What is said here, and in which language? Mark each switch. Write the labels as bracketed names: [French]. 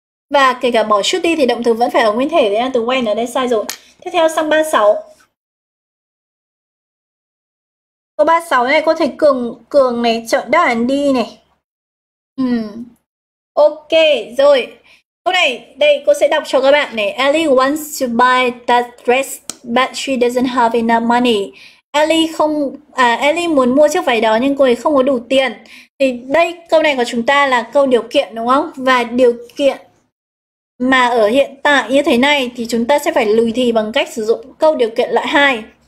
[Vietnamese] Và kể cả bỏ should đi thì động từ vẫn phải ở nguyên thể đấy, từ when ở đây sai rồi. Tiếp theo sang 36. Câu 36 này có thể cường cường này chọn đáp án đi này. Ok, rồi. Câu này, đây, cô sẽ đọc cho các bạn này. [English] Ellie wants to buy that dress, but she doesn't have enough money. [Vietnamese] Ellie không, Ellie muốn mua chiếc váy đó nhưng cô ấy không có đủ tiền. Thì đây, câu này của chúng ta là câu điều kiện đúng không? Và điều kiện mà ở hiện tại như thế này thì chúng ta sẽ phải lùi thì bằng cách sử dụng câu điều kiện loại 2.